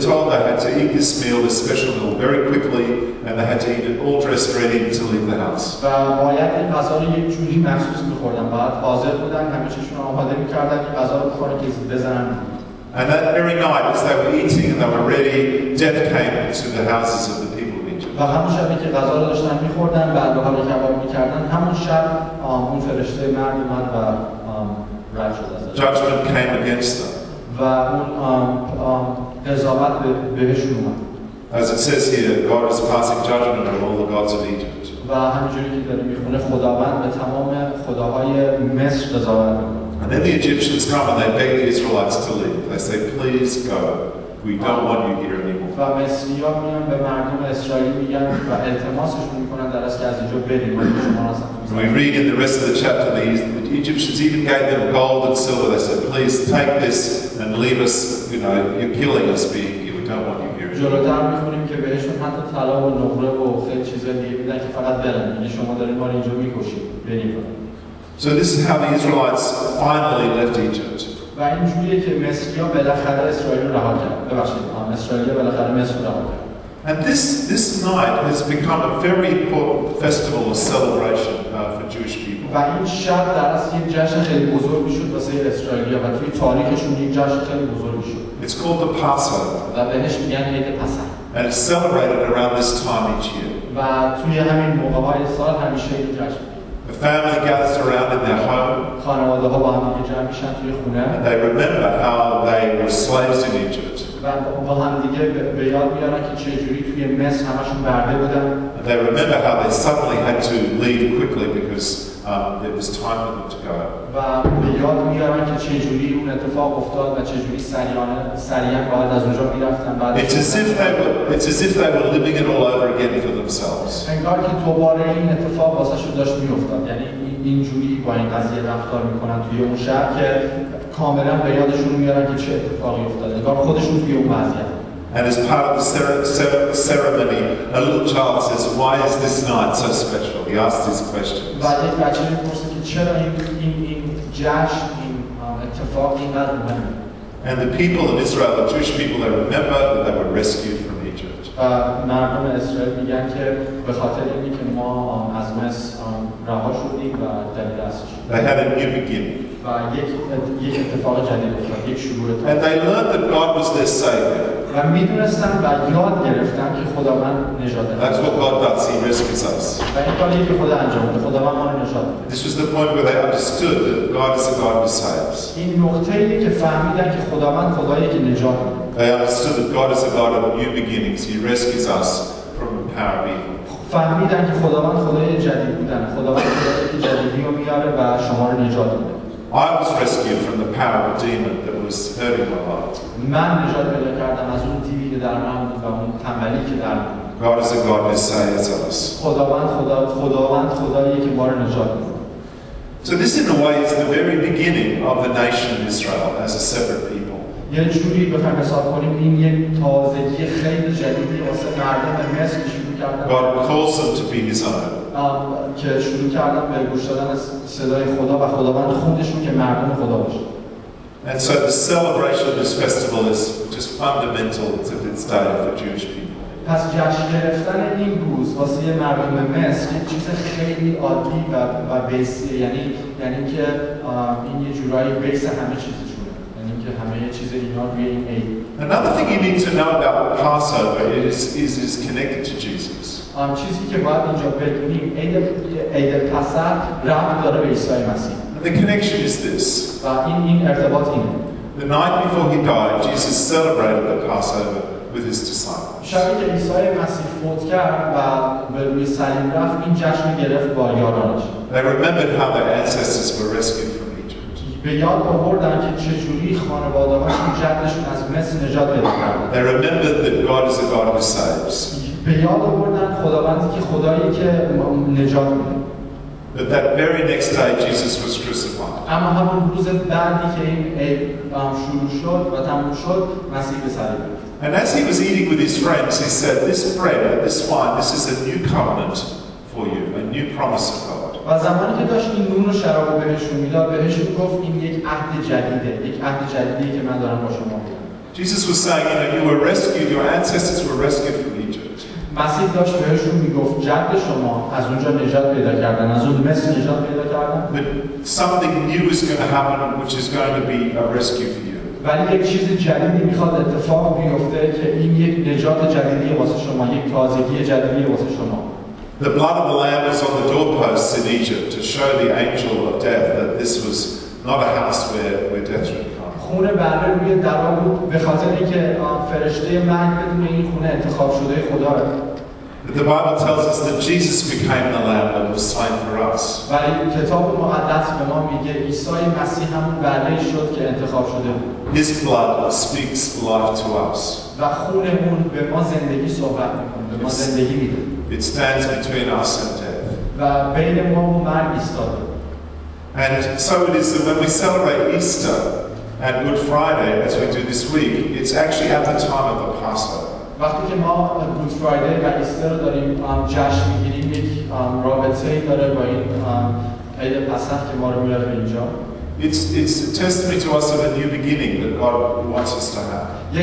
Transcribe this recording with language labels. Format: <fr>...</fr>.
<en>told they had to eat this meal, this special meal, very quickly, and they had to eat it all dressed ready to leave the house. And that very night, as they were eating and they were ready, death came to the houses of the people.</en> <fa>و همون شبی که غذا رو داشتن میخوردن و به حال کباب میکردن همون شب اون فرشته مرد اومد و رد شد ازش.</fa> <en>Judgment came against them.</en> <fa>و اون قضاوت بهشون اومد.</fa> <en>As it says here, God is passing judgment on all the gods of Egypt.</en> <fa>و همینجوری که داری میخونه خداوند به تمام خداهای مصر قضاوت میکنه.</fa> <en>And then the Egyptians come and they beg the Israelites to leave. They say, please go. We don't want you here anymore.</en> <fa>و مصریان میان به مردم اسرائیل میگن و التماسشون میکنن در اصل که از اینجا بریم و شما را سفر کنیم.</fa> <en>We read in the rest of the chapter the Egyptians even gave them gold and silver. They said, please take this and leave us. You know, you're killing us. We don't want you here.</en> <fa>جلوتر میخونیم که بهشون حتی طلا و نقره و خیلی چیزهای دیگه میدن که فقط برن. یعنی شما دارین ما را اینجا میکشید. بریم.</fa> <en>So this is how the Israelites finally left Egypt.</en> <fa>و این جوریه که مصریان بالاخره اسرائیل رها کردن. ببخشید.</fa> <en>And this night has become a very important festival or celebration for Jewish people.</en> <fa>و این شب در اصل یه جشن خیلی بزرگ میشد واسه اسرائیلیا و توی تاریخشون یه جشن خیلی بزرگ شد.</fa> <en>It's called the Passover.</en> <fa>و بهش میگن عید پسح.</fa> <en>And it's celebrated around this time each year.</en> <fa>و توی همین موقع‌های سال همیشه این جشن.</fa> <en>The family gathers around in their home.</en> <fa>خانواده‌ها با هم دیگه جمع میشن توی خونه.</fa> <en>And they remember how they were slaves in Egypt.</en> <fa>و با هم دیگه به یاد میارن که چه جوری توی مصر همشون برده بودن.</fa> <en>And they remember how they suddenly had to leave quickly because there was time for them to go.</en> <fa>و به یاد میارن که چه جوری اون اتفاق افتاد و چه جوری سریعا باید از اونجا میرفتن.</fa> <en>It's as if they were living it all over again for themselves.</en> <fa>انگار که دوباره این اتفاق واسه شون داشت میافتاد. یعنی این جوری با این قضیه رفتار میکنن توی اون شهر که کاملا به یادشون میارن که چه اتفاقی افتاده. انگار خودشون توی اون وضعیت.</fa> <en>And as part of the ceremony, a little child says, "Why is this night so special?" He asks these questions. But if actually you ask the children in Jash, in Tefach, in that moment, and the people of Israel, the Jewish people, they remember that they were rescued from Egypt.</en> <fa>مردم اسرائیل میگن که به خاطر اینی که ما از مصر رها شدیم و در دستش.</fa> <en>They had a new beginning.</en> <fa>و یک اتفاق جدید افتاد. یک شروع تازه.</fa> <en>And they learned that God was their savior.</en> <fa>و میدونستم و یاد گرفتم که خداوند نجات دهنده.</fa> <en>That's what God does. He rescues us.</en> <fa>و این کاری که خدا انجام میده. خداوند ما رو نجات میده.</fa> <en>This was the point where they understood that God is a God who saves.</en> <fa>این نقطه‌ای که فهمیدن که خداوند خدایی که نجات میده.</fa> <en>They understood that God is a God of new beginnings. He rescues us from the power of evil.</en> <fa>فهمیدن که خداوند خدای جدید بودن. خداوند خدایی جدیدی رو میاره و شما رو نجات میده.</fa> <en>I was rescued from the power of a demon that was hurting my life.</en> <fa>من نجات پیدا کردم از اون دیوی که در من بود و اون تنبلی که در من بود.</fa> <en>God is a God who saves us.</en> <fa>خداوند خدایی که ما رو نجات میده.</fa> <en>So this in a way is the very beginning of the nation of Israel as a separate people.</en> <fa>یه جوری بخوایم حساب کنیم این یک تازگی خیلی جدیدی واسه مردم مصر شروع کردن.</fa> <en>God calls them to be his own.</en> <fa>که شروع کردن به گوش دادن صدای خدا و خداوند خوندشون که مردم خدا باشه.</fa> <en>And so the celebration of this festival is just fundamental to its day for Jewish people.</en> <fa>پس جشن گرفتن این روز واسه مردم مصر یه چیز خیلی عادی و بیسیه. یعنی که این یه جورایی بیس همه چیزشونه. یعنی که همه یه چیز اینا روی این عید.</fa> <en>Another thing you need to know about Passover is connected to Jesus.</en> <fa>چیزی که باید اینجا بدونیم عید پسح ربط داره به عیسی مسیح.</fa> <en>The connection is this.</en> <fa>این ارتباط اینه.</fa> <en>The night before he died, Jesus celebrated the Passover with his disciples.</en> <fa>شبی که عیسی مسیح فوت کرد و به روی صلیب رفت، این جشن رو گرفت با یارانش.</fa> <en>They remembered how their ancestors were rescued from Egypt.</en> <fa>به یاد آوردن که چجوری خانواده‌هاشون جدشون از مصر نجات پیدا کردن.</fa> <en>They remembered that God is a God who saves.</en> <fa>به یاد آوردن خداوندی که خدایی که نجات میده.</fa> <en>But that very next day, Jesus was crucified.</en> <fa>اما همون روز بعدی که این عید شروع شد و تموم شد، مسیح به صلیب رفت.</fa> <en>And as he was eating with his friends, he said, "This bread, this wine, this is a new covenant for you, a new promise of God."</en> <fa>و زمانی که داشت این نون و شراب بهشون میداد، بهشون گفت این یک عهد جدیده، یک عهد جدیدی که من دارم با شما میدم.</fa> <en>Jesus was saying, "You were rescued. Your ancestors were rescued from Egypt."</en> <fa>مسیح داشت بهشون میگفت جد شما از اونجا نجات پیدا کردن، از اون مصر نجات پیدا کردن.</fa> <en>But something new is going to happen, which is going to be a rescue for you.</en> <fa>ولی یک چیز جدیدی میخواد اتفاق بیفته که این یک نجات جدیدی واسه شما، یک تازگی جدیدی واسه شما.</fa> <en>The blood of the lamb was on the doorposts in Egypt to show the angel of death that this was not a house where death would come.</en> <fa>خون بره روی درا بود به خاطر اینکه فرشته مرگ بدون این خونه انتخاب شده خدا بود.</fa> <en>The Bible tells us that Jesus became the lamb that was slain for us.</en> <fa>ولی کتاب مقدس به ما میگه عیسی مسیح همون بره شد که انتخاب شده بود.</fa> <en>His blood speaks life to us.</en> <fa>و خون اون به ما زندگی صحبت میکنه، به ما زندگی میده.</fa> <en>It stands between us and death.</en> <fa>و بین ما و مرگ ایستاده.</fa> <en>And so it is that when we celebrate Easter and Good Friday, as we do this week, it's actually at the time of the Passover.</en> <fa>وقتی که ما Good Friday و Easter داریم جشن میگیریم، یک رابطه ای داره با این عید پسح که ما رو میاره به اینجا.</fa> <en>It's a testimony to us of a new beginning that God wants us to have.</en>